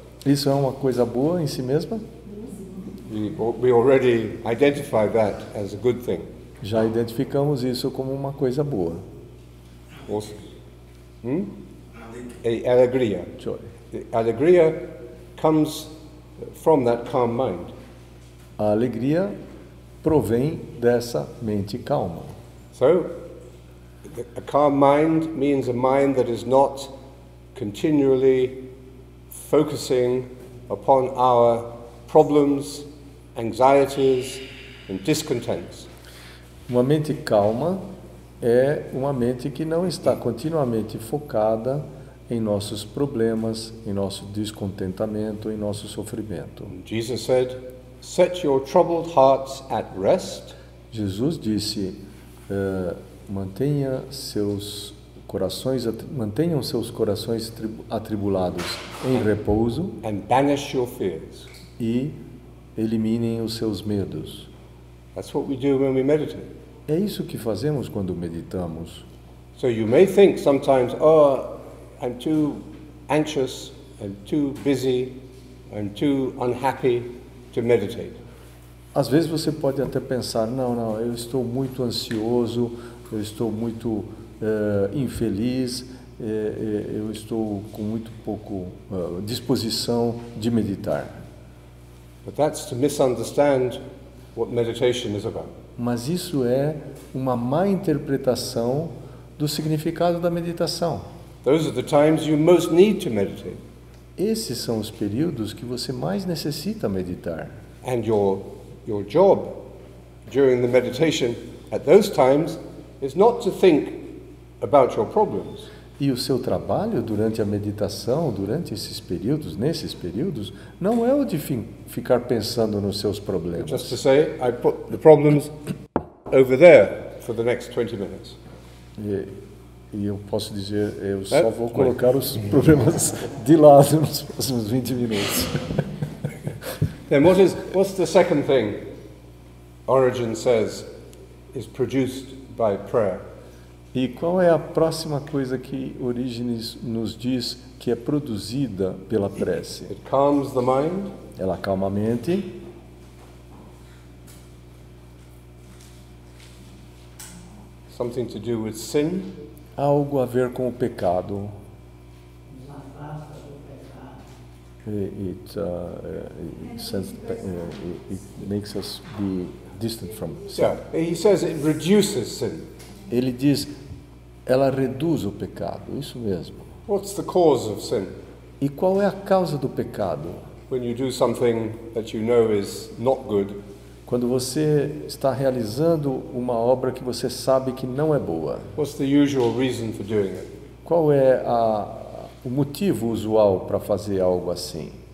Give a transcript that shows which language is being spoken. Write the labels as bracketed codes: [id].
[pt] Isso é uma coisa boa em si mesma? [en] We already identify that as a good thing. [pt] Já identificamos isso como uma coisa boa. A alegria. [en] Joy. The alegria comes from that calm mind. [pt] A alegria provém dessa mente calma. [en] So, a calm mind means a mind that is not continually focusing upon our problems, anxieties, and discontents. [pt] Uma mente calma é uma mente que não está continuamente focada em nossos problemas, em nosso descontentamento, em nosso sofrimento. [en] Jesus said, "Set your troubled hearts at rest." [pt] Jesus disse, mantenha seus corações, mantenham seus corações atribulados em repouso. [en] And banish your fears. [pt] E eliminem os seus medos. [en] That's what we do when we meditate. [pt] É isso que fazemos quando meditamos. [en] So you may think sometimes, oh, I'm too anxious, I'm too busy, I'm too unhappy to meditate. [pt] Às vezes você pode até pensar, não, eu estou muito ansioso, eu estou muito infeliz, eu estou com muito pouco disposição de meditar. [en] But that's to misunderstand what meditation is about. [pt] Mas isso é uma má interpretação do significado da meditação. [en] Those are the times you most need to meditate. [pt] esses são os períodos que você mais necessita meditar. [en] And your job during the meditation at those times is not to think about your problems. [pt] E o seu trabalho durante a meditação, durante esses períodos, nesses períodos, não é o de ficar pensando nos seus problemas. [en] Just to say, I put the problems over there for the next 20 minutes. [pt] E eu posso dizer, eu só vou colocar os problemas de lado nos próximos 20 minutos. [en] Then what's the second thing Origen says is produced by prayer? [pt] E qual é a próxima coisa que Orígenes nos diz que é produzida pela prece? [en] It calms the mind. [pt] Ela acalma a mente. [en] Something to do with sin. [pt] Algo a ver com o pecado. [en] It makes us be distant from sin. Yeah, he says it reduces sin. [pt] Ele diz, ela reduz o pecado, isso mesmo. [en] What's the cause of sin? [pt] E qual é a causa do pecado? [en] When you do something that you know is not good. [pt] Quando você está realizando uma obra que você sabe que não é boa. [en] What's the usual reason for doing it? [pt] Qual é o motivo usual para fazer algo assim?